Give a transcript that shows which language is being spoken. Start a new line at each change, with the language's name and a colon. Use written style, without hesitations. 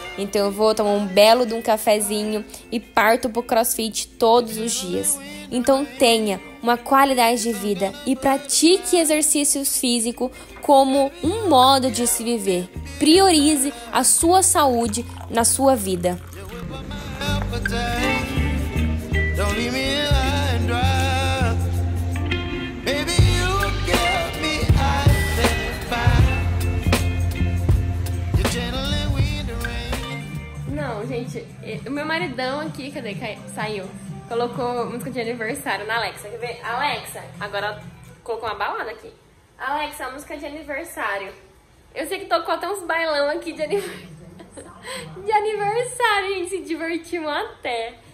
Portuguese: Então eu vou tomar um belo de um cafezinho e parto pro CrossFit todos os dias. Então tenha uma qualidade de vida e pratique exercícios físicos como um modo de se viver. Priorize a sua saúde na sua vida.
English: Don't leave me high and dry. Maybe you get me out of fire. You're gentle and wind and rain.
Portuguese: Não, gente, o meu maridão aqui, cadê? Saiu. Colocou música de aniversário na Alexa. Quer ver? Alexa, agora colocou uma balada aqui. Alexa, música de aniversário. Eu sei que tocou até uns bailão aqui de aniversário. De aniversário, gente, se divertiu até.